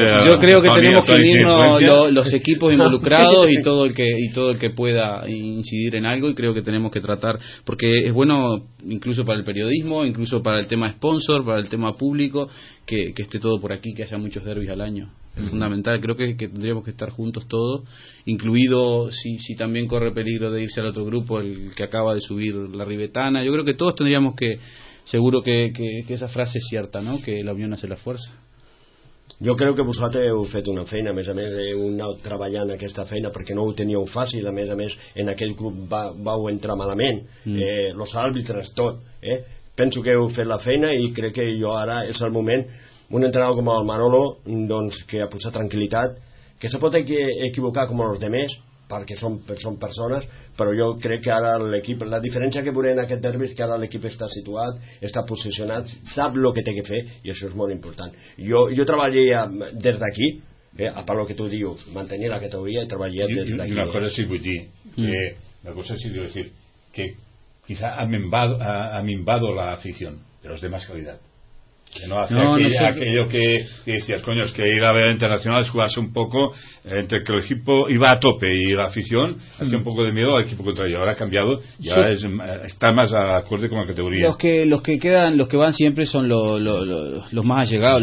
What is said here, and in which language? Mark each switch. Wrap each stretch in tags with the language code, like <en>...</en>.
<es>yo creo que tenemos que unirnos los equipos involucrados y todo el que pueda incidir en algo, y creo que tenemos que tratar, porque es bueno incluso para el periodismo, incluso para el tema sponsor, para el tema público, que esté todo por aquí, que haya muchos derbis al año. Es fundamental, creo que tendríamos que estar juntos todos, incluido si también corre peligro de irse al otro grupo, el que acaba de subir la Ribetana. Yo creo que todos tendríamos que, seguro que esa frase es cierta, ¿no? Que la unión hace la fuerza.</es> <ca>Jo crec que vosaltres heu fet una feina, a més heu anat treballant aquesta feina perquè no ho teníeu fàcil, a més en aquell club vau entrar malament, los àrbitres, tot. Penso que heu fet la feina i crec que jo ara és el moment, un entrenador com el Manolo, doncs, que ha posat tranquil·litat, que se pot equivocar com els altres, perquè són persones, però jo crec que ara l'equip, la diferència que veurem en aquest derbi és que ara l'equip està situat, està posicionat, sap el que té que fer, i això és molt important. Jo treballaria des d'aquí, a part del que tu dius, mantenir la categoria, i treballaria des d'aquí. I una cosa sí vull dir, una cosa sí vull dir, que</ca> <es>quizá ha minvado la afición,</es> <ca>però és de més qualitat.</ca> <es>Que no hacía aquello que decías, coño, es que ir a ver internacionales, jugarse un poco, entre que el equipo iba a tope y la afición hacía un poco de miedo al equipo contrario. Ahora ha cambiado, ya sí. Está más acorde con la categoría. Los que quedan, los que van siempre son los más allegados,</es>